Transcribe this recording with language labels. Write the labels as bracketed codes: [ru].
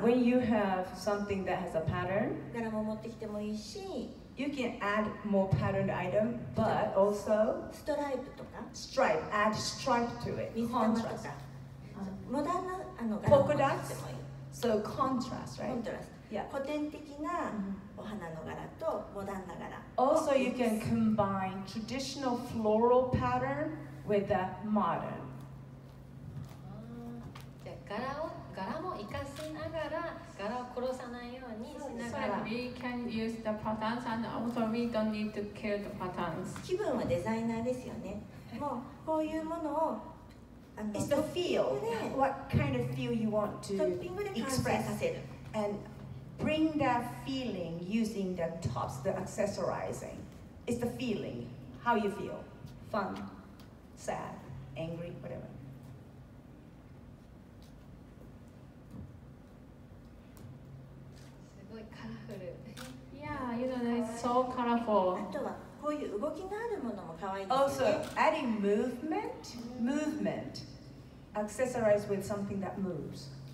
[en] When you have something that has a pattern. [ja] 柄も持ってきてもいいし。 [en] You can add more patterned item, but also. [ja] ストライプとか。 [en] Stripe. Add stripe to it. [ja] Contrast. モダンなあの柄も持ってきてもいい。 [en] So contrast, right? Contrast. Yeah. [ja] 古典的なお花の柄とモダンな柄。 [en] Also, you can combine traditional floral pattern with the modern. [ja] じゃあ柄も活かしながら柄を殺さないようにしながら。 [en] We can use the patterns and also we don't need to kill the patterns. [ja] 気分はデザイナーですよね。もうこういうものを。 [en] It's the feel. What kind of feel you want to express and bring that feeling using the tops, the accessorizing. It's the feeling. How you feel? Fun, sad, angry, whatever. [ja] すごいカラフル。 [en] Yeah, you know, it's so colorful. [ja] あとはこういう動きのあるものも可愛いですね。 [en] Also, adding movement, movement. Accessorize with something that moves.